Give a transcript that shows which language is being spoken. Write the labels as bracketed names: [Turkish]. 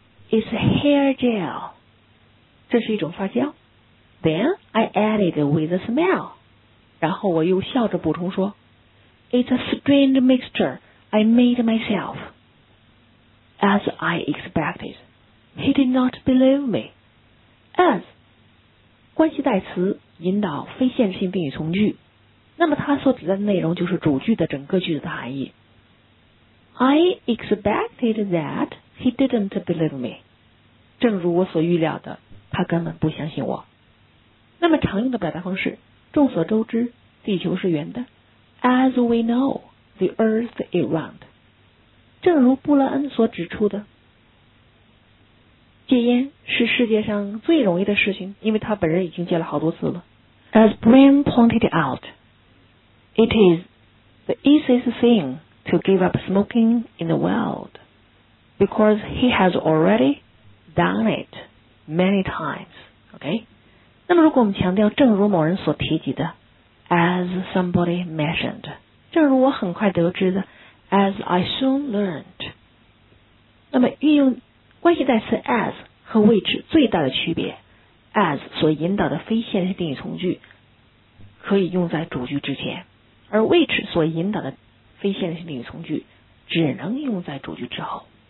[English] It's hair gel. [Chinese] 这是一种发胶。 [English] Then I added with a smile. [Chinese] 然后我又笑着补充说 [English] It's a strange mixture I made myself. As I expected, he did not believe me. [Chinese] As 关系代词引导非限制性宾语从句，那么它所指的内容就是主句的整个句子的含义。 [English] I expected that he didn't believe me. [Chinese] 正如我所预料的，他根本不相信我。那么常用的表达方式，众所周知，地球是圆的。 [English] As we know, the earth is round. [Chinese] 正如布莱恩所指出的，戒烟是世界上最容易的事情，因为他本人已经戒了好多次了。 [English] As Brian pointed out, it is the easiest thing to give up smoking in the world because he has alreadydone it many times, okay? [Chinese] 那么如果我们强调正如某人所提及的 [English] as somebody mentioned, [Chinese] 正如我很快得知的 [English] as I soon learned, [Chinese] 那么运用关系代词 as 和谓之最大的区别 as 所引导的非限制定语从句可以用在主句之前，而谓之所引导的非限制定语从句只能用在主句之后。